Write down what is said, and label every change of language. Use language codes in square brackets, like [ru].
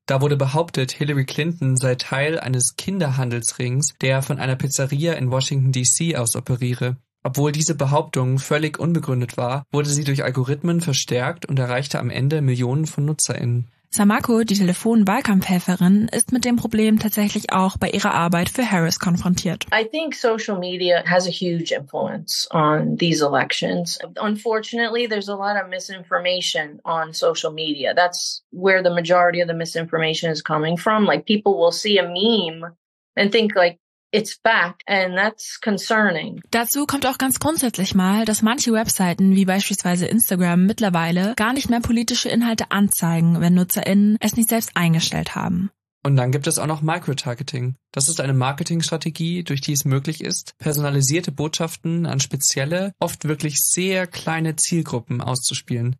[de] Da wurde behauptet, Hillary Clinton sei Teil eines Kinderhandelsrings, der von einer Pizzeria in Washington D.C. aus operiere. Obwohl diese Behauptung völlig unbegründet war, wurde sie durch Algorithmen verstärkt und erreichte am Ende Millionen von NutzerInnen. Samako, die Telefon-Wahlkampfhelferin, ist mit dem Problem tatsächlich auch bei ihrer Arbeit für Harris konfrontiert. [en] I think social media has a huge influence on these elections. Unfortunately, there's a lot of misinformation on social media. That's where the majority of the misinformation is coming from. Like people will see a meme and think like, it's back and that's concerning. [de] Dazu kommt auch ganz grundsätzlich mal, dass manche Webseiten wie beispielsweise Instagram mittlerweile gar nicht mehr politische Inhalte anzeigen, wenn NutzerInnen es nicht selbst eingestellt haben. Und dann gibt es auch noch Microtargeting. Das ist eine Marketingstrategie, durch die es möglich ist, personalisierte Botschaften an spezielle, oft wirklich sehr kleine Zielgruppen auszuspielen.